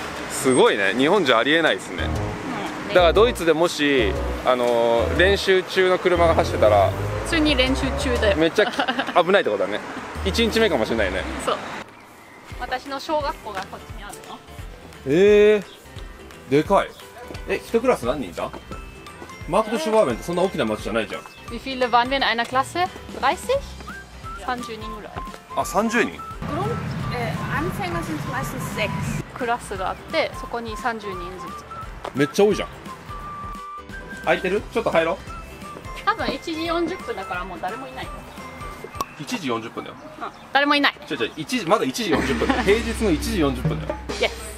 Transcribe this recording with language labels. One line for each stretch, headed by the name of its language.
Japanese: すごいね、日本じゃありえないですね。だからドイツでもし、練習中の車が走ってたら、普通に練習中だよ。めっちゃ危ないってことだね。 1日目かもしれないね。そう、私の小学校がこっちにあるの。でかい。え、一クラス何人いた？マークトシュバーベンってそんな大きな町じゃないじゃん。
German: Wie viele waren wir in einer Klasse?
Japanese: 30? 30人ぐらい。あ、30人？
German: グルー、Anfänger sind meistens 6.
Japanese: クラスがあって、そこに30人ずつ。めっちゃ多いじゃん。空いてる？ちょっと入ろう。多分1時40分だからもう誰もいない。 1時40分だよ。うん、誰もいない。ちょちょ、まだ1時40分だよ。平日の1時40分だよ。
English: Yes.